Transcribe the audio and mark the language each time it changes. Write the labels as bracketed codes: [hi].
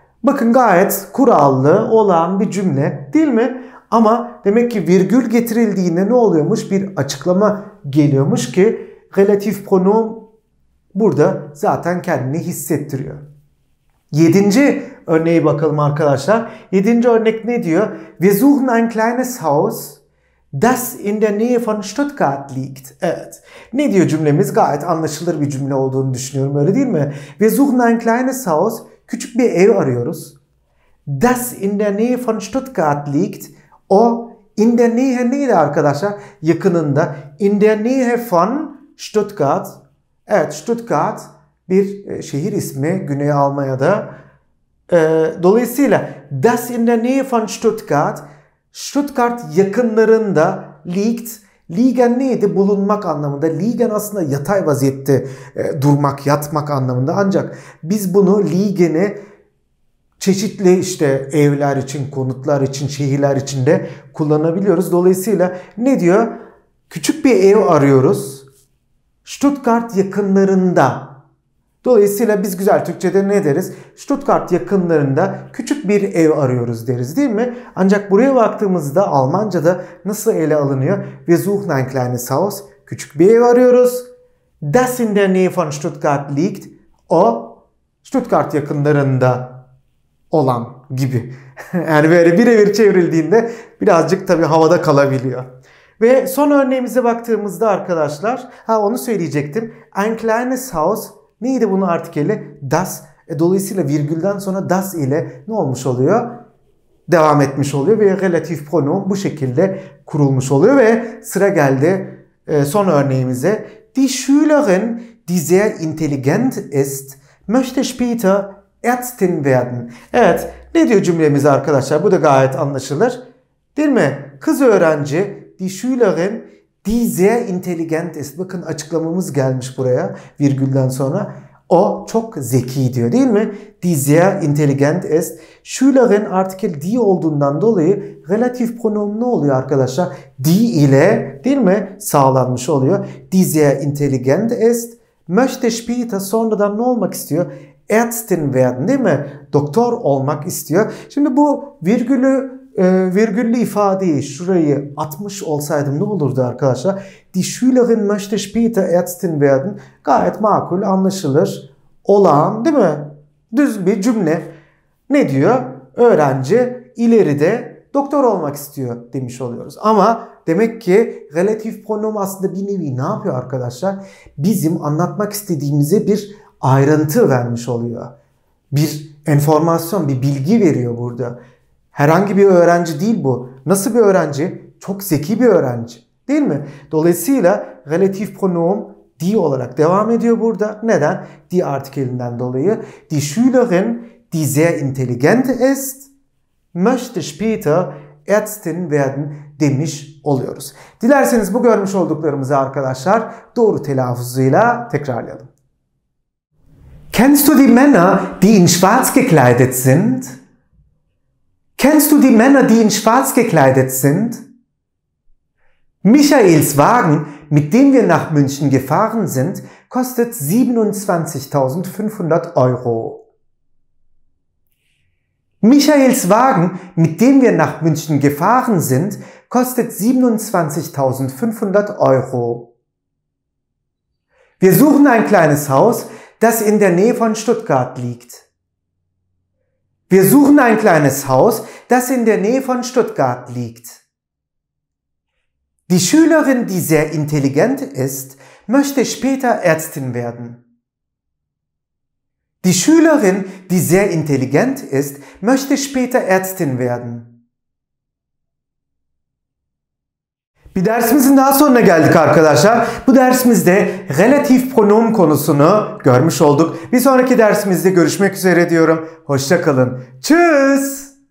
[tr] Bakın gayet kurallı olan bir cümle değil mi? Ama demek ki virgül getirildiğinde ne oluyormuş? Bir açıklama geliyormuş ki relatif pronom burada zaten kendini hissettiriyor. Yedinci örneğe bakalım arkadaşlar. Yedinci örnek ne diyor? [de] Wir suchen ein kleines Haus, das in der Nähe von Stuttgart liegt. [tr] Evet. Ne diyor cümlemiz? Gayet anlaşılır bir cümle olduğunu düşünüyorum, öyle değil mi? [de] Wir suchen ein kleines Haus, [tr] küçük bir ev arıyoruz. [de] Das in der Nähe von Stuttgart liegt. [tr] O [de] in der Nähe [tr] neydi arkadaşlar? Yakınında. [de] In der Nähe von Stuttgart. [tr] Evet, Stuttgart bir şehir ismi Güney Almanya'da. Dolayısıyla [de] das in der Nähe von Stuttgart, [tr] Stuttgart yakınlarında liegt. Liegen neydi? Bulunmak anlamında. Liegen aslında yatay vaziyette durmak, yatmak anlamında. Ancak biz bunu liegen'i çeşitli işte evler için, konutlar için, şehirler için de kullanabiliyoruz. Dolayısıyla ne diyor? Küçük bir ev arıyoruz. Stuttgart yakınlarında. Dolayısıyla biz güzel Türkçe'de ne deriz? Stuttgart yakınlarında küçük bir ev arıyoruz deriz, değil mi? Ancak buraya baktığımızda Almanca'da nasıl ele alınıyor? [de] Wir suchen ein kleines Haus. [tr] Küçük bir ev arıyoruz. [de] Das in der Nähe von Stuttgart liegt. [tr] O Stuttgart yakınlarında olan gibi. Yani böyle birebir çevrildiğinde birazcık tabii havada kalabiliyor. Ve son örneğimize baktığımızda arkadaşlar, ha onu söyleyecektim. [de] Ein kleines Haus [tr] neydi bunun artikeli? Das. Dolayısıyla virgülden sonra das ile ne olmuş oluyor? Devam etmiş oluyor ve relatif pronom bu şekilde kurulmuş oluyor ve sıra geldi son örneğimize. [de] Die Schülerin, die sehr intelligent ist, möchte später Ärztin werden. [tr] Evet, ne diyor cümlemiz arkadaşlar? Bu da gayet anlaşılır. Değil mi? Kız öğrenci, [de] die Schülerin, die sehr intelligent ist. [tr] Bakın açıklamamız gelmiş buraya virgülden sonra. O çok zeki diyor, değil mi? [de] Die sehr intelligent ist. [tr] Schülerin artikel die olduğundan dolayı relatif pronom ne oluyor arkadaşlar? Die ile, değil mi? Sağlanmış oluyor. [de] Die sehr intelligent ist. Möchte später [tr] sonradan ne olmak istiyor? [de] Ärztin werden, [tr] değil mi? Doktor olmak istiyor. Şimdi bu virgülü virgüllü ifadeyi şurayı atmış olsaydım ne olurdu arkadaşlar? [de] Die Schülerin möchte später Ärztin werden. [tr] Gayet makul, anlaşılır olan, değil mi? Düz bir cümle. Ne diyor? Öğrenci ileride doktor olmak istiyor demiş oluyoruz. Ama demek ki relatif pronom aslında bir nevi ne yapıyor arkadaşlar? Bizim anlatmak istediğimize bir ayrıntı vermiş oluyor. Bir enformasyon, bir bilgi veriyor burada. Herhangi bir öğrenci değil bu. Nasıl bir öğrenci? Çok zeki bir öğrenci. Değil mi? Dolayısıyla relatif pronom die olarak devam ediyor burada. Neden? Die artikelinden dolayı. [de] Die Schülerin, die sehr intelligent ist, möchte später Ärztin werden [tr] demiş oluyoruz. Dilerseniz bu görmüş olduklarımızı arkadaşlar doğru telaffuzuyla tekrarlayalım. [de] Kennst du die Männer, die in schwarz gekleidet sind? Kennst du die Männer, die in schwarz gekleidet sind? Michaels Wagen, mit dem wir nach München gefahren sind, kostet 27.500 Euro. Michaels Wagen, mit dem wir nach München gefahren sind, kostet 27.500 Euro. Wir suchen ein kleines Haus, das in der Nähe von Stuttgart liegt. Wir suchen ein kleines Haus, das in der Nähe von Stuttgart liegt. Die Schülerin, die sehr intelligent ist, möchte später Ärztin werden. Die Schülerin, die sehr intelligent ist, möchte später Ärztin werden. [tr] Bir dersimizin daha sonuna geldik arkadaşlar. Bu dersimizde relatif pronom konusunu görmüş olduk. Bir sonraki dersimizde görüşmek üzere diyorum. Hoşça kalın. Tschüss.